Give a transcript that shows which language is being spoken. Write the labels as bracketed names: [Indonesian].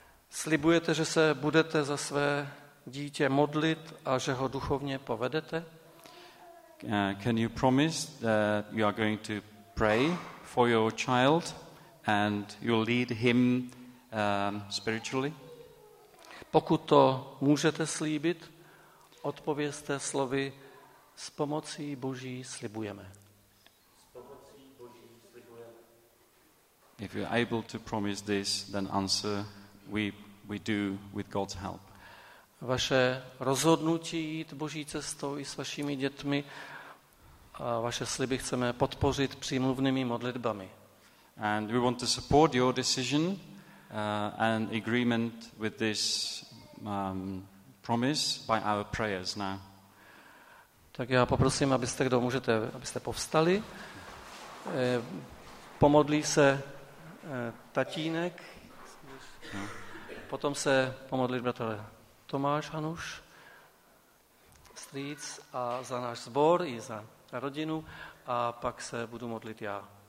[Czech] Slibujete, že se budete za své dítě modlit a že ho duchovně povedete? [English] Can you promise that you are going to pray for your child and you'll lead him spiritually? [Czech] Pokud to můžete slíbit, odpovězte slovy s pomocí Boží slibujeme. [English] If you're able to promise this, then answer, we do with God's help. [Czech] Vaše rozhodnutí jít Boží cestou i s vašimi dětmi a vaše sliby chceme podpořit přímluvnými modlitbami. [English] And we want to support your decision and agreement with this promise by our prayers now. [Czech] Tak já poprosím, abyste kdo můžete, abyste povstali. Pomodlí se tatínek. Potom se pomodlí bratr Tomáš Hanuš, strýc a za náš sbor i za rodinu a pak se budu modlit já.